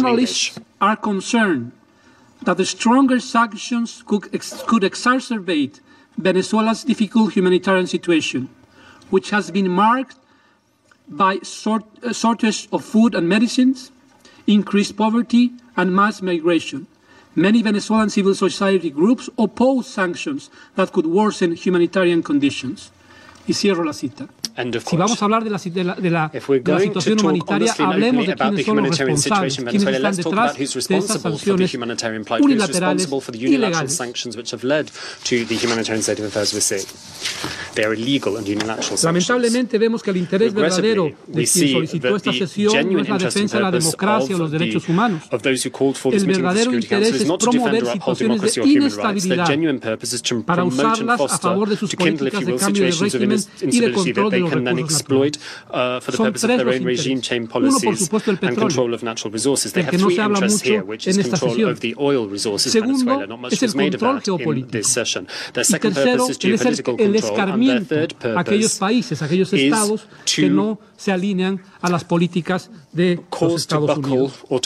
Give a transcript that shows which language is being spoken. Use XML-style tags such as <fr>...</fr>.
<en>Analysts are concerned that the stronger sanctions could exacerbate Venezuela's difficult humanitarian situation, which has been marked by shortage of food and medicines, increased poverty, and mass migration. Many Venezuelan civil society groups oppose sanctions that could worsen humanitarian conditions.</en> <es>Y cierro la cita. Si vamos a hablar de la situación humanitaria, hablemos de quiénes son los responsables, quiénes están detrás de estas sanciones unilaterales, ilegales. Lamentablemente vemos que el interés verdadero de quien solicitó esta sesión no es la defensa de la democracia o los derechos humanos. El verdadero interés es promover situaciones de inestabilidad para usarlas a favor de sus políticas de cambio de régimen y de control de los</es> <en>and then exploit for the purpose of their own regime chain policies and control of natural resources. They have three interests here, which is control of the oil resources in Venezuela. Not much was made of that in this session. Their second purpose is geopolitical control, and their third purpose is to</en> <es>se alinean a las políticas de los Estados Unidos.</es>